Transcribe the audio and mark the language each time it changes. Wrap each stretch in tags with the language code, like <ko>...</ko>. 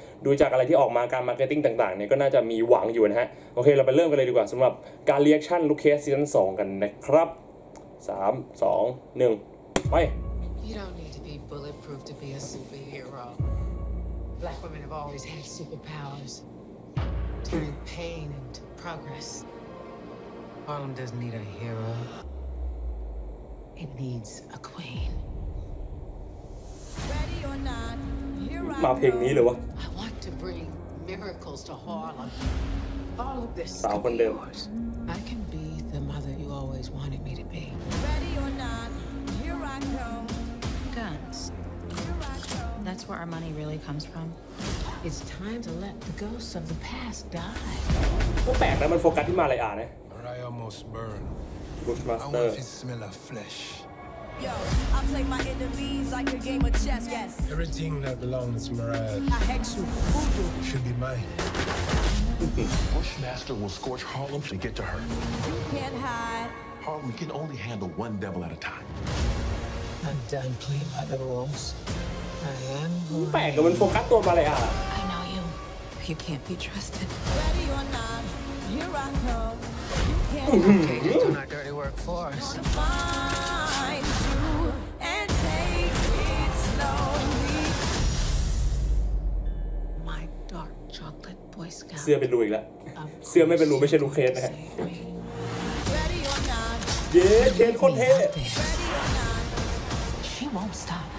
<th>ดูจากอะไรที่ออกมาการมาร์เก็ตติ้งต่างๆเนี่ยก็น่าจะมีหวังอยู่นะฮะโอเคเราไปเริ่มกันเลยดีกว่าสำหรับการเรียกชั่นลูกเคสซีซั่น2กันนะครับ3 2 1ไป</th> <en>You don't need to be bulletproof to be a superhero Black women have always had superpowers turning pain into progressHarlem doesn't need a hero. It needs a queen. Ready or not, here I go.</en> <th>มาเพลงนี้หรือวะ</th> <en>I want to bring miracles to Harlem. All of this could be yours. I can be the mother you always wanted me to be. Ready or not, here I go. Guns. Here I go. That's where our money really comes from. It's time to let the ghosts of the past die.</en> <th>ก็แปลกนะมันโฟกัสที่มาเลยอ่ะนะ</th> <en>I almost burned. Bushmaster. I want to smell of flesh. Yo, I play my enemies like a game of chess, yes. Everything that belongs to Mariah should be mine. Bushmaster will scorch Harlem to get to her. You can't hide. Harlem can only handle one devil at a time. I'm done playing by the rules.</en> <th>แปลกกับมันโฟกัสตัวมาเลยอ่ะ</th> <en>I know you. You can't be trusted. Ready or not, here I go. You can't do my dirty work for us. Find you and take it slowly. My dark chocolate boy scout.</en> <th>เสื้อเป็นรูอีกแล้วเสื้อไม่เป็นรูไม่ใช่รูเคสนะฮะ</th> <en>Ready or not,</en> <th>เย้เคสคนเท่</th> <en>Ready or not, she won't stop.</en>